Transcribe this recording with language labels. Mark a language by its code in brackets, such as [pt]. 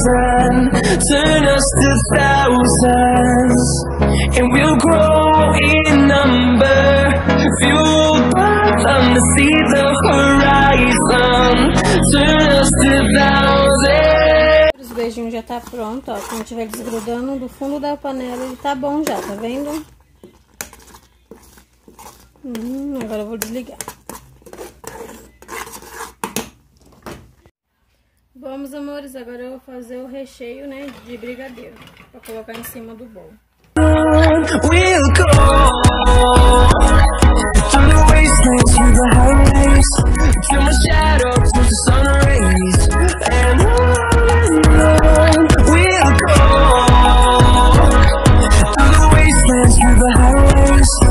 [en] Turn us to thousands, and we'll grow in number, fueled by them to see the horizon. Turn us to thousands. [pt] Os beijinhos já tá pronto, ó. Quando tiver desgrudando do fundo da panela, ele tá bom já, tá vendo? Agora eu vou desligar. Bom, meus amores, agora eu vou fazer o recheio, né, de brigadeiro, pra colocar em cima do bolo. [en] We'll go to the wastelands, to the highways, to my shadow, to the sun rays. And on we'll go to the wastelands, to the highways.